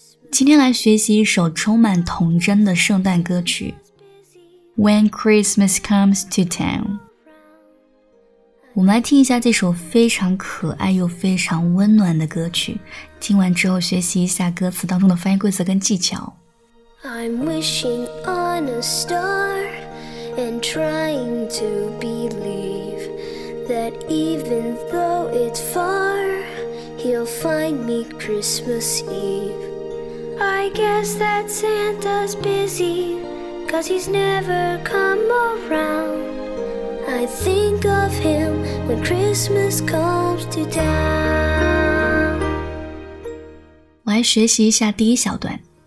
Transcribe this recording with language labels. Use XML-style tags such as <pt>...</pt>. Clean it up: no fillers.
<zh>今天来学习一首充满童真的圣诞歌曲， When Christmas Comes to Town。我们来听一下这首非常可爱又非常温暖的歌曲，听完之后学习一下歌词当中的翻译规则跟技巧。</zh> <en>I'm wishing on a star and trying to believe that even though it's far he'll find me Christmas Eve. I guess that Santa's busy 'cause he's never come aroundI think of him when Christmas comes to town.</en> <zh>我来学习一下第一小段。</zh>